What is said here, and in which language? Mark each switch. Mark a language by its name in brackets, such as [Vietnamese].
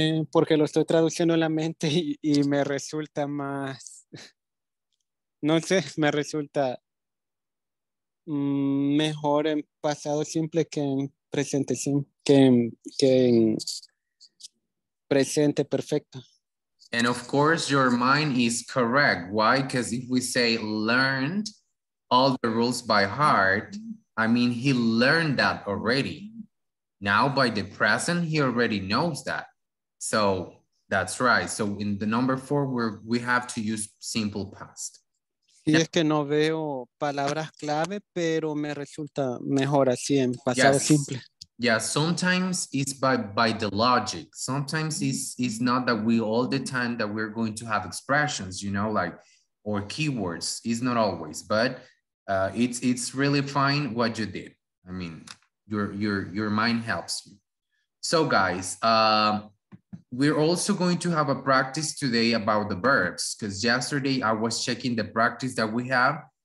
[Spanish] Porque lo estoy traduciendo en la mente y me resulta más. No sé, me resulta mejor en pasado simple que en presente simple, que en presente perfecto. [English] And of course, your mind is correct. Why? Because if we say learned all the rules by heart, I mean, he learned that already. Now by the present, he already knows that. So that's right. So in the number four, we have to use simple past. [Spanish] Sí, es que no veo palabras clave, pero me resulta mejor así en pasado simple. [English] Yeah, sometimes it's by the logic. Sometimes it's not that we all the time that we're going to have expressions, you know, like, or keywords. It's not always, but it's really fine what you did. I mean, your mind helps you. So guys, we're also going to have a practice today about the verbs, because yesterday I was checking the practice that we have.